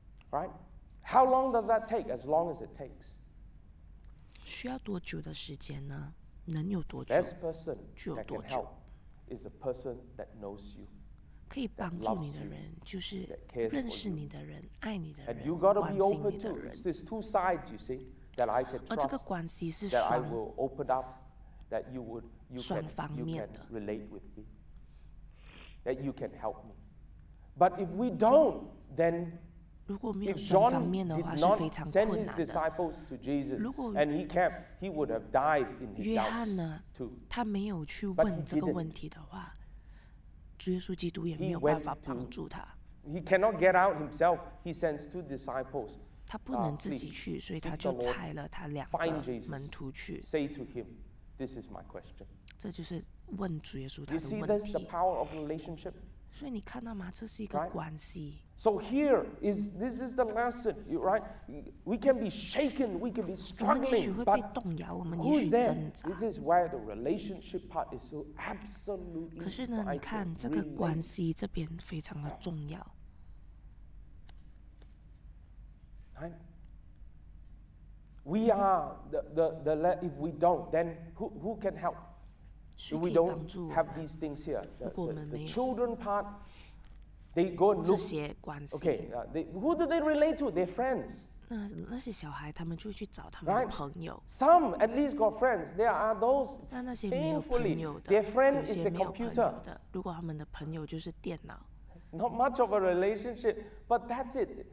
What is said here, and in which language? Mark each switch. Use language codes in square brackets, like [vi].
[en] Right? How long does that take? As long as it takes. [zh] 需要多久的时间呢？能有多久？ [en] Best person [zh] 就有多久？ [en] Is a person that knows you. [zh] 可以帮助你的人，就是认识你的人，爱你的人， [en] and you gotta [zh] 关心你的人。 [en] And you've got to be open to. There's two sides, you see, that I can trust. [zh] 这个关系是双。 [en] That I will open up. That you would, you can relate with me. That you can help me. But if we don't, then if John did not send his disciples to Jesus, and he kept, he would have died in his doubts. [zh] 约翰呢？他没有去问这个问题的话，主耶稣基督也没有办法帮助他。 [en] He cannot get out himself. He sends two disciples. [zh] 他不能自己去，所以他就差了他两个门徒去。 [en] Say to him. This is my question. [zh] 这就是问主耶稣他的问题。 [en] You see, this is the power of relationship. [zh] 所以你看到吗？这是一个关系。 [en] So here is this is the lesson, right? We can be shaken, we can be struggling, but who is there? This is why the relationship part is so absolutely vital. [zh] 可是呢，你看这个关系这边非常的重要。 [en] We are the if we don't, then who can help? If we don't have these things here, the children part, they go and look. [zh] 这些关系 [en] okay, who do they relate to? Their friends. [zh] 那些小孩，他们就去找他们的朋友。 [en] Right? Some at least got friends. There are those. [zh] 那些没有朋友的 [en] ，their friend is the computer. [zh] 如果他们的朋友就是电脑。 [en] Not much of a relationship, but that's it.